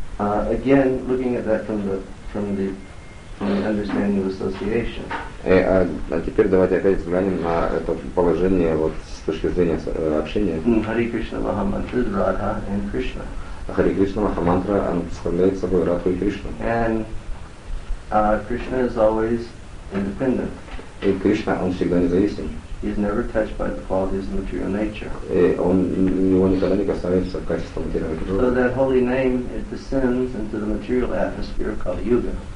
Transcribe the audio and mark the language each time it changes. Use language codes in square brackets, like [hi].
[en] Again, looking at that from the understanding of association. [ru] Теперь давайте опять взглянем на это положение с точки зрения общения. Харе Кришна Махамантра, Радха и Кришна. Харе Кришна Махамантра представляет собой Радху и Кришну. [en] And Krishna is always independent. [ru] И Кришна, он всегда независим. [en] He is never touched by the qualities of material nature. So that holy name, it descends into the material atmosphere of Kali Yuga.